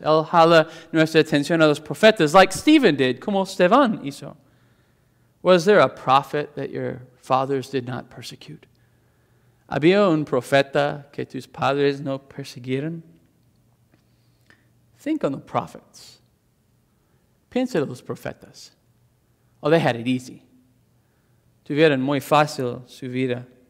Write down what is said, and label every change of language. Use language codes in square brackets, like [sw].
[es] Él jala nuestra atención a los profetas, [en] like Stephen did, [es] como Esteban hizo. [en] Was there a prophet that your fathers did not persecute? [es] ¿Había un profeta que tus padres no persiguieron? [en] Think on the prophets. [es] Piensa en los profetas. [en] Oh, they had it easy. [es] Tuvieron muy fácil su vida.